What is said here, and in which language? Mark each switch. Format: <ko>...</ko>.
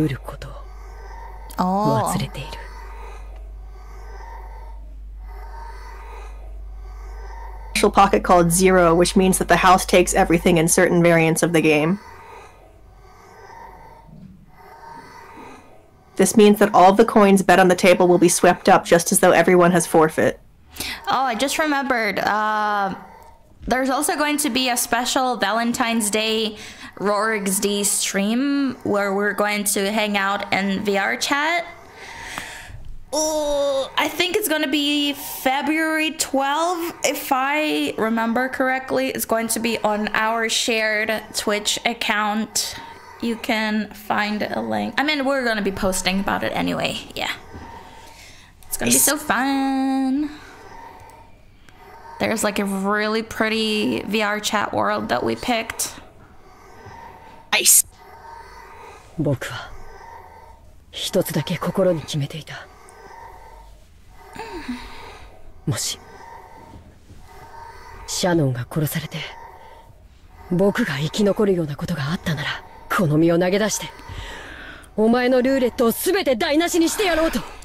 <ja>親方様とお前がどんな魔法を求めてルーレットに挑んでいるのか、そんなことには興味ない。しかしお前は忘れている。ルーレットには赤でも黒でもない目が出うることを忘れている。</ja> <en>Pocket called Zero, which means that the house takes everything in certain variants of the game. This means that all the coins bet on the table will be swept up just as though everyone has forfeit. Oh, I just remembered. There's also going to be a special Valentine's Day RoarXD stream where we're going to hang out in VR chat. I think it's going to be February 12th, if I remember correctly. It's going to be on our shared Twitch account. You can find a link. I mean, we're going to be posting about it anyway. Yeah. It's going to be so fun. There's like a really pretty VR chat world that we picked. Ice.</en> <ja>僕は一つだけ心に決めていた。もし シャノンが殺されて 僕が生き残るようなことがあったなら この身を投げ出して お前のルーレットを全て台無しにしてやろうと。</ja>